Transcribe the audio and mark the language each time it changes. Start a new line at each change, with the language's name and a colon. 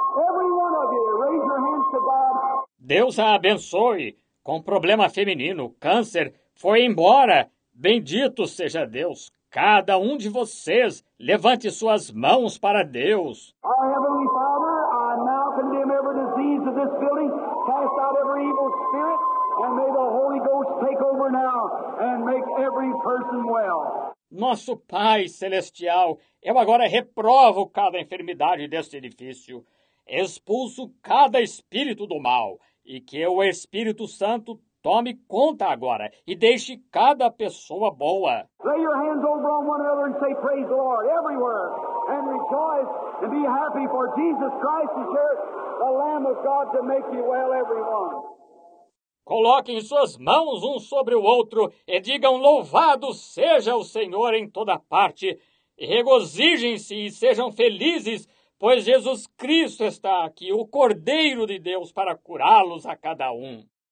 English: Every one of you, raise your hands to God.
Portuguese: Deus a abençoe. Com problema feminino, câncer, foi embora. Bendito seja Deus. Cada um de vocês, levante suas mãos para Deus.
English: Our Heavenly Father, I now condemn every disease of this building. Cast out every evil spirit. And may the Holy Ghost take over now and make every person well.
Portuguese: Nosso Pai Celestial, eu agora reprovo cada enfermidade deste edifício. Expulso cada espírito do mal. E que o Espírito Santo tome conta agora e deixe cada pessoa boa.
English: Lay your hands over on one another and say praise the Lord everywhere. And rejoice and be happy for Jesus Christ is here, the Lamb of God to make you well everyone.
Portuguese: Coloquem suas mãos um sobre o outro e digam louvado seja o Senhor em toda parte. Regozijem-se e sejam felizes, pois Jesus Cristo está aqui, o Cordeiro de Deus, para curá-los a cada um.